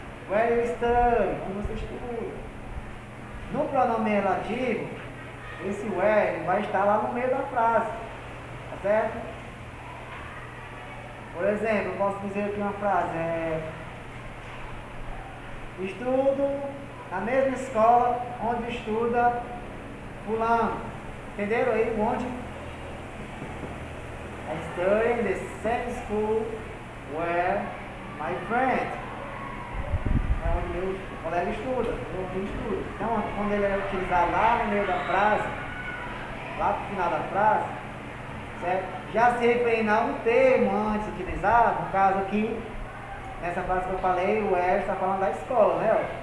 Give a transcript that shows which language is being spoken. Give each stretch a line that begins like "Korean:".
English: Where you study?
Portuguese: Como você estuda? No pronome relativo, esse where vai estar lá no meio da frase, tá certo? Por exemplo, eu posso dizer aqui uma frase, estudo na mesma escola onde estuda fulano. Entenderam aí onde?
English: I study in the same school where my friend.
Portuguese: O colega estuda, o aluno estuda. Então, quando ele é utilizado lá no meio da frase, lá no final da frase, certo? Já se referindo a um termo antes utilizado, no caso aqui, nessa frase que eu falei, o Ed está falando da escola, né?